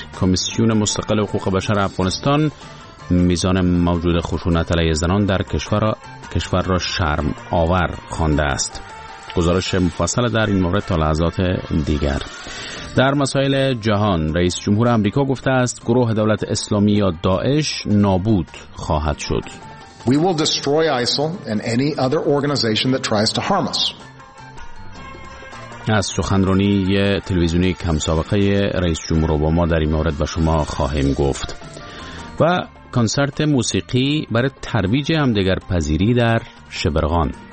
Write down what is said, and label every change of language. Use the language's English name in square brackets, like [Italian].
[Persian] کمیسیون مستقل حقوق بشر افغانستان میزان موجود خشونت علیه زنان در کشور را شرم آور خوانده است. گزارش مفصل در این مورد تا لحظات دیگر. در مسائل جهان، رئیس جمهور آمریکا گفته است گروه دولت اسلامی یا داعش نابود خواهد شد. [English] We will destroy ISIL and any other organization that tries to harm us. [Persian] از سخنرانی تلویزیونی کم سابقه رئیس جمهور اوباما در این مورد با شما خواهیم گفت. و کنسرت موسیقی برای ترویج همدیگر پذیری در شبرغان.